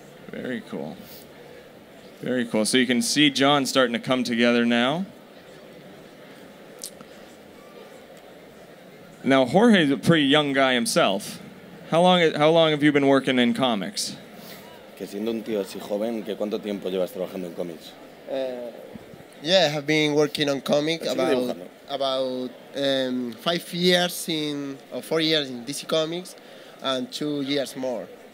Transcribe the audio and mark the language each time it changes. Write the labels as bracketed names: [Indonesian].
[English] Very cool. So you can see John starting to come together now. Now, Jorge is a pretty young guy himself. How long have you been working in comics? [Spanish] Que siendo un tío así joven, ¿qué cuánto tiempo llevas trabajando en cómics? [English] I have been working on comics about 5 years or 4 years in DC Comics, and 2 years more.